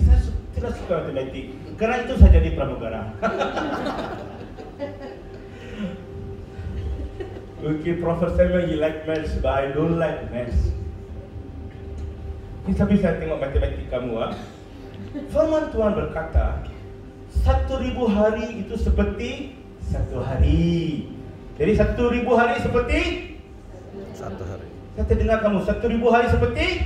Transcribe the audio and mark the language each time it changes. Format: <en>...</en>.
<ms>Saya tidak suka matematik, karena itu saya jadi pramugara.</ms> <en>Okay, Prophet Samuel, you like maths, but I don't like maths.</en> <ms>Tapi saya tengok matematik kamu ah. Firman Tuhan berkata, 1,000 hari itu seperti 1 hari. Jadi 1,000 hari seperti 1 hari. Saya terdengar kamu, 1,000 hari seperti</ms>